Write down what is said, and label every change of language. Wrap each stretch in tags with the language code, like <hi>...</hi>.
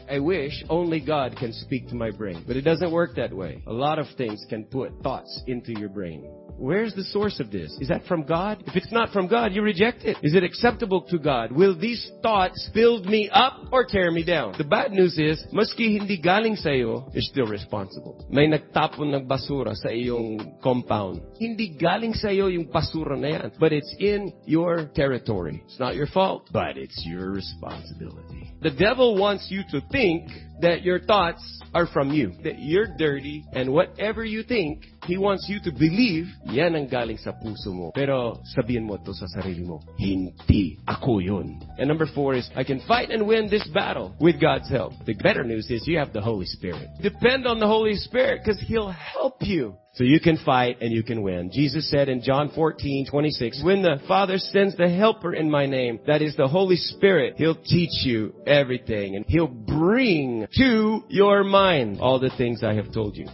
<en>I wish only God can speak to my brain. But it doesn't work that way. A lot of things can put thoughts into your brain. Where's the source of this? Is that from God? If it's not from God, you reject it. Is it acceptable to God? Will these thoughts build me up or tear me down? The bad news is,</en> <tl>maski hindi galing sa iyo,</tl> <en>you're still responsible.</en> <tl>May nagtapon ng basura sa iyong compound. Hindi galing sa iyo yung basura na yan,</tl> <en>but it's in your territory. It's not your fault, but it's your responsibility. The devil wants you to think that your thoughts are from you. That you're dirty, and whatever you think, he wants you to believe,</en> <tl>yan ang galing sa puso mo. Pero sabihin mo to sa sarili mo, hindi ako yun.</tl> <en>And number four is, I can fight and win this battle with God's help. The better news is, you have the Holy Spirit. Depend on the Holy Spirit, because He'll help you. So you can fight and you can win. Jesus said in John 14:26, when the Father sends the Helper in my name, that is the Holy Spirit, He'll teach you everything and He'll bring to your mind all the things I have told you.</en>